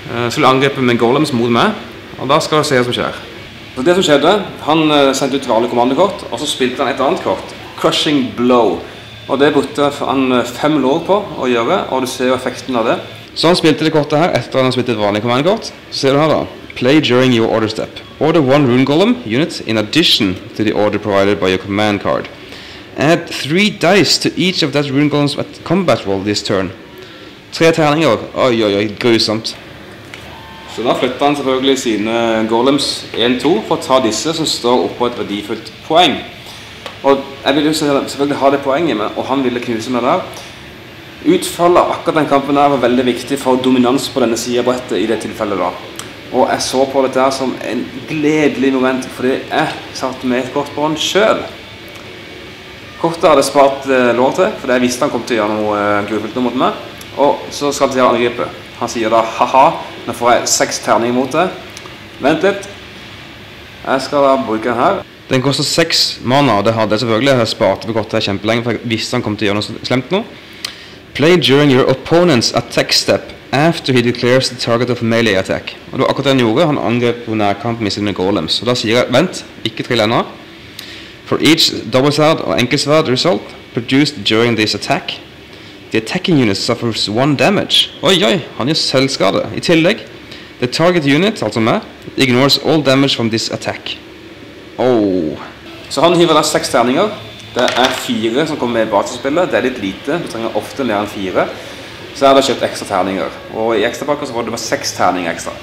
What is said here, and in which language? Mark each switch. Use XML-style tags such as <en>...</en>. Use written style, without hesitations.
<no>skulle angripe med Golems mot meg, og da skal vi se hva som skjer. Så det som skjedde, han sendte ut vanlig kommandokort, og så spilte han et annet kort, Crushing Blow. Og det brukte han 5 lår på å gjøre, og du ser jo effekten av det. Så han spilte det kortet her etter han har spilt et vanlig kommandokort. Så ser du her da.</no> <en>Play during your order step. Order one rune golem unit in addition to the order provided by your command card. Add 3 dice to each of that rune golems at combat roll this turn.</en> <no>3 terninger. Oi, oi, oi, grusomt. Så da flytter han selvfølgelig sine golems 1-2 for å ta disse som står oppå et verdifullt poeng. Og jeg vil jo selvfølgelig ha det poenget med, og han ville knuse meg der. Utfallet akkurat den kampen der var veldig viktig for dominans på denne siden av brettet i det tilfellet da. Og jeg så på dette som en gledelig moment, fordi jeg satte med et kort på han selv. Kortet hadde spart lår til, fordi jeg visste han kom til å gjøre noe grufullt mot meg. Og så skal han til å angripe. Han sier da, haha, nå får jeg 6 terninger mot det. Vent litt. Jeg skal da bruke den her. Den koster 6 mana, og det hadde jeg selvfølgelig. Jeg har spart for kortet her kjempelenge, for jeg visste han kom til å gjøre noe slemt nå.</no> <en>Play during your opponent's attack step. After he declares the target of melee attack.</en> <no>Og det var akkurat det han gjorde, han angrep på nærkamp med sine golems. Og da sier jeg, vent, ikke trill enda.</no> <en>For each double sword or enkelsword result produced during this attack, the attacking unit suffers 1 damage.</en> <no>Oi, oi, han gjør selvskade. I tillegg,</no> <en>the target unit,</en> <no>altså meg,</no> <en>ignores all damage from this attack. Oh.</en> <no>Så han hiver da 6 terninger. Det 4 som kommer med i basisspillet. Det litt lite, du trenger ofte mer enn 4. Så har du kjøpt ekstra terninger, og i ekstra pakker så får du bare 6 terninger ekstra.</no>